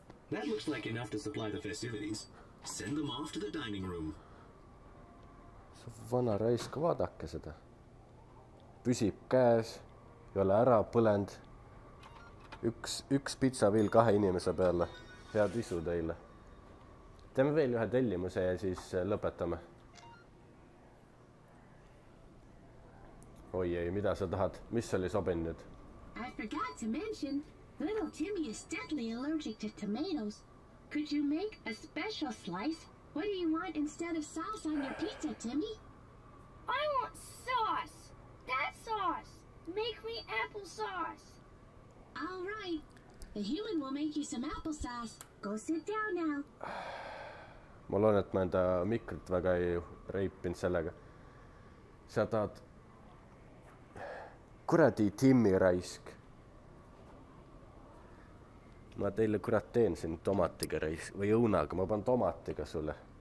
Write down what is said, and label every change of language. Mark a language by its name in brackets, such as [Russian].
[English] That looks like enough to supply the festivities. Send them off to the dining room. [Estonian] Vana raisk, vaadake seda. Püsib käes, ei ole ära põlend. Üks pizza veel kahe inimese peale. Head isu teile. Teeme veel ühe tellimuse ja siis lõpetame. Oi ei, mida sa tahad? Mis oli sobinud? [English] I forgot to mention, little Timmy is deadly allergic to tomatoes. Could you make a special slice? What do you want instead of sauce on your pizza, Timmy? I want sauce! That sauce! Make me applesauce! All right. The human will make you some applesauce. Go sit down now. [Estonian] Ma loon, et ma enda mikrit väga ei reipinud sellega. Sa tahad... Kuradi Timmy raisk. Ma teile kurat teen siin tomatiga raisk. Või õunaga, ma panen tomatiga sulle.